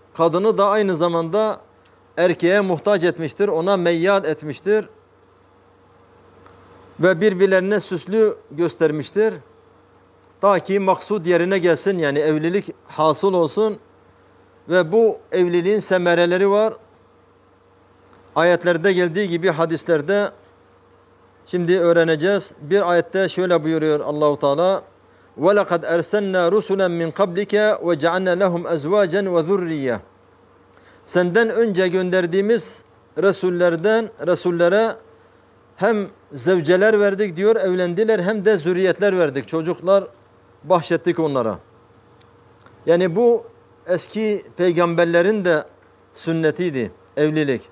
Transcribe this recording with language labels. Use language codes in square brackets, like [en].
[tr] Kadını da aynı zamanda erkeğe muhtaç etmiştir, ona meyyal etmiştir ve birbirlerine süslü göstermiştir. Ta ki maksud yerine gelsin, yani evlilik hasıl olsun ve bu evliliğin semereleri var. Ayetlerde geldiği gibi hadislerde şimdi öğreneceğiz. Bir ayette şöyle buyuruyor Allah-u Teala: [ar] وَلَقَدْ أَرْسَلْنَا رُسُلًا مِنْ قَبْلِكَ وَجَعَلْنَا لَهُمْ أَزْوَاجًا وَذُرِّيَّةً. [tr] Senden önce gönderdiğimiz Resullere hem zevceler verdik diyor, evlendiler, hem de zürriyetler verdik, çocuklar bahşettik onlara. Yani bu eski peygamberlerin de sünnetiydi evlilik.